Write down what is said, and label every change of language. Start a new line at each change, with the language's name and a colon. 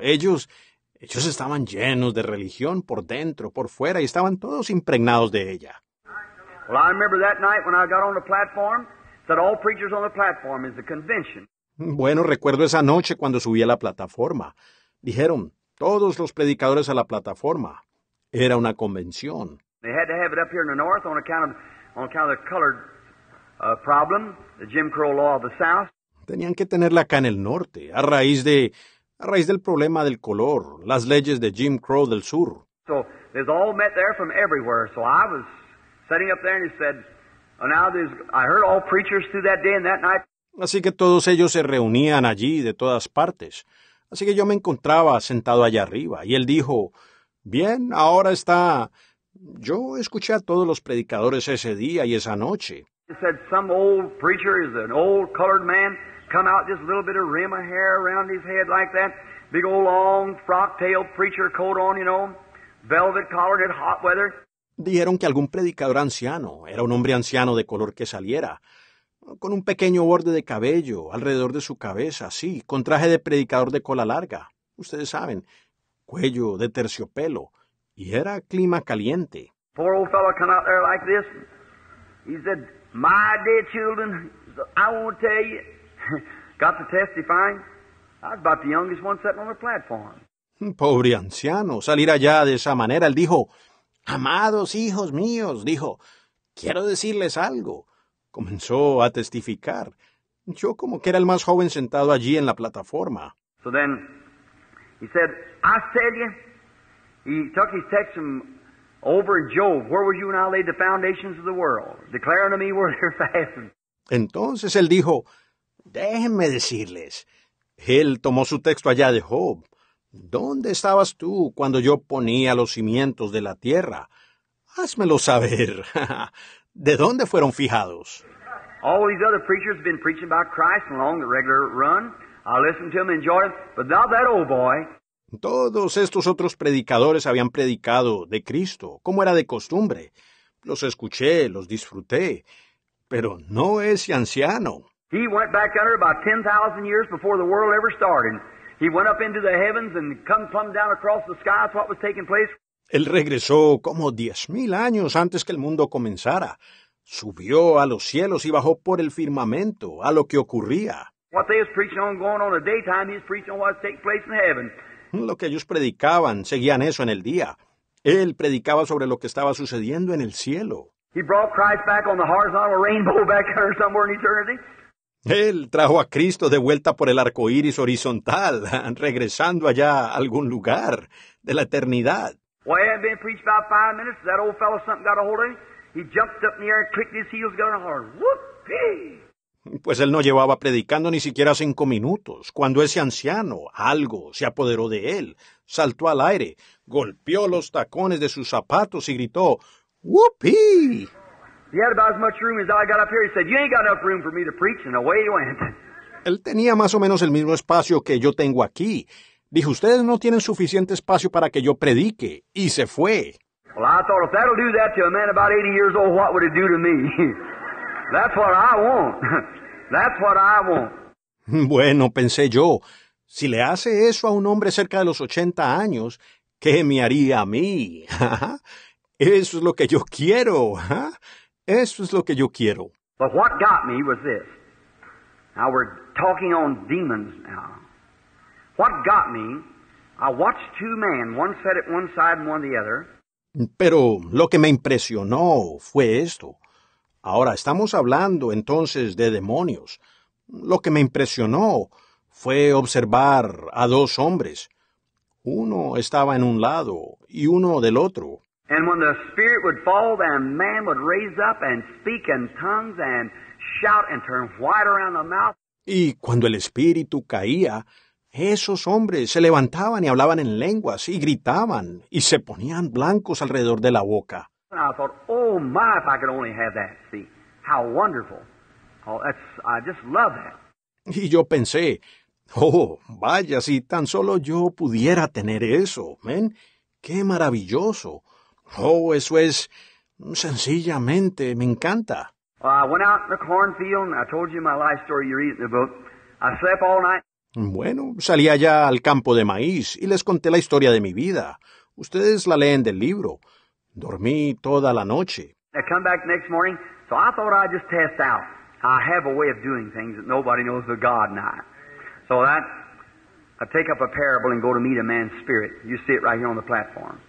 Spanish: Ellos estaban llenos de religión por dentro, por fuera, y estaban todos impregnados de ella.
English: Well, I remember that night when I got on the platform, said all preachers on the platform is a convention.
Spanish: Bueno, recuerdo esa noche cuando subí a la plataforma. Dijeron, todos los predicadores a la plataforma. Era una convención.
English: They had to have it up here in the north on account of the colored problem, the Jim Crow law of the south.
Spanish: Tenían que tenerla acá en el norte, a raíz del problema del color, las leyes de Jim Crow del sur.
English: So they all met there from everywhere. So I was sitting up there and he said, well, now there's, I heard all preachers through that day and that night.
Spanish: Así que todos ellos se reunían allí de todas partes. Así que yo me encontraba sentado allá arriba. Y él dijo, bien, ahora está... Yo escuché a todos los predicadores ese día y esa noche.
English: He said, some old preacher is an old colored man, come out just a little bit of rim of hair around his head like that. Big old long frock tail preacher coat on, you know, velvet collar in hot weather.
Spanish: Dijeron que algún predicador anciano, era un hombre anciano de color que saliera, con un pequeño borde de cabello alrededor de su cabeza, sí, con traje de predicador de cola larga, ustedes saben, cuello de terciopelo, y era clima caliente.
English: Poor old fellow come out there like this. He said, my dear children, I want to tell you, got to testify, I was about the youngest one sitting on the platform.
Spanish: Pobre anciano, salir allá de esa manera, él dijo, amados hijos míos, dijo, quiero decirles algo. Comenzó a testificar. Yo como que era el más joven sentado allí en la plataforma.
English: So then, he said, I tell you, he took his text from over in Job, where were you when I laid the foundations of the world, declaring to me where they're fastened.
Spanish: Entonces él dijo, déjenme decirles. Él tomó su texto allá de Job. ¿Dónde estabas tú cuando yo ponía los cimientos de la tierra? Házmelo saber. ¿De dónde fueron fijados?
English: All these other preachers have been preaching about Christ along the regular run. I listened to them, enjoyed them, but not that old boy.
Spanish: Todos estos otros predicadores habían predicado de Cristo, como era de costumbre. Los escuché, los disfruté, pero no ese anciano.
English: He went back under about 10,000 years before the world ever started. He went up into the heavens and come down across the sky. That's what was taking place.
Spanish: Él regresó como 10,000 años antes que el mundo comenzara. Subió a los cielos y bajó por el firmamento a lo que ocurría.
English: What they was preaching on going on the daytime, he was preaching on what was taking place in heaven.
Spanish: Lo que ellos predicaban, seguían eso en el día. Él predicaba sobre lo que estaba sucediendo en el cielo.
English: He brought Christ back on the horizontal rainbow back there somewhere in eternity.
Spanish: Él trajo a Cristo de vuelta por el arco iris horizontal, regresando allá a algún lugar de la eternidad.
English: Well, he hadn't been preached about 5 minutes. That old fellow something got a hold of him. He jumped up in the air, clicked his heels, got a horn. Whoopee!
Spanish: Pues él no llevaba predicando ni siquiera 5 minutos, cuando ese anciano, algo, se apoderó de él, saltó al aire, golpeó los tacones de sus zapatos y gritó, ¡Whoopee!
English: He had about as much room as I got up here. He said, you ain't got enough room for me to preach, and away he went.
Spanish: Él tenía más o menos el mismo espacio que yo tengo aquí. Dijo, ustedes no tienen suficiente espacio para que yo predique. Y se fue.
English: Well, I thought, if that'll do that to a man about 80 years old, what would it do to me? That's what I want. That's what I want.
Spanish: Bueno, pensé yo, si le hace eso a un hombre cerca de los 80 años, ¿qué me haría a mí? Eso es lo que yo quiero. Eso es lo que yo quiero.
English: But what got me was this. Now we're talking on demons now. What got me, I watched two men, one sat at one side and one the other.
Spanish: Pero lo que me impresionó fue esto. Ahora estamos hablando entonces de demonios. Lo que me impresionó fue observar a dos hombres. Uno estaba en un lado y uno del otro.
English: And when the spirit would fall, then a man would raise up and speak in tongues and shout and turn white around the mouth.
Spanish: Y cuando el espíritu caía, esos hombres se levantaban y hablaban en lenguas y gritaban y se ponían blancos alrededor de la boca.
English: And I thought, oh my, if I could only have that, see, how wonderful. Oh, that's, I just love that.
Spanish: Y yo pensé, oh, vaya, si tan solo yo pudiera tener eso, men, qué maravilloso. Oh, eso es, sencillamente, me encanta.
English: I went out in the cornfield, and I told you my life story, you read in the book. I slept all night.
Spanish: Bueno, salí allá al campo de maíz y les conté la historia de mi vida. Ustedes la leen del libro. Dormí toda la noche.
English: I come back the next morning, so I thought I'd just test out. I have a way of doing things that nobody knows but God and I. So that, I take up a parable and go to meet a man's spirit. You see it right here on the platform.